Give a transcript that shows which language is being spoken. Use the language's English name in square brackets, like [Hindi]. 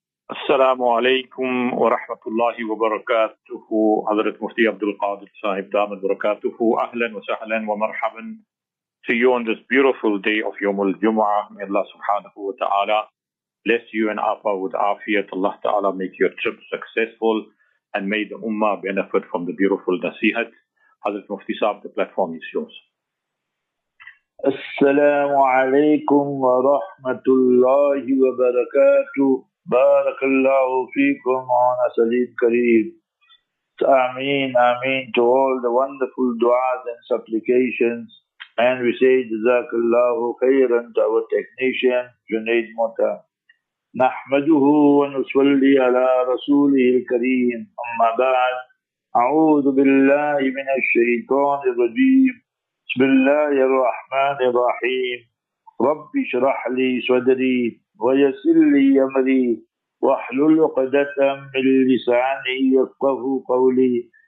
[Arabic] السلام عليكم ورحمة الله وبركاته. حضرة مفتي عبد القادر صاحب دام البركاته، أهلا وسهلا ومرحبا [English] to you on this beautiful day of [Arabic] يوم الجمعة. [English] May Allah subhanahu wa ta'ala bless you and Afa with Afiyat. Allah ta'ala make your trip successful and may the Ummah benefit from the beautiful nasihat. [Arabic] حضرة مفتي صاحب، [English] the platform is yours. [Arabic] السلام عليكم ورحمة الله وبركاته. بارك الله فيكم وعن سليم كريم. آمين آمين [English] to all the wonderful du'as and supplications. And we say [Arabic] جزاك الله خيرا [English] to our technician Junaid Mota. [Arabic] نحمده ونصلي على رسوله الكريم. أما بعد، أعوذ بالله من الشيطان الرجيم. بسم الله الرحمن الرحيم. رب اشرح لي صدري ويسر لي امري واحلل عقدة من لساني يفقهوا قولي.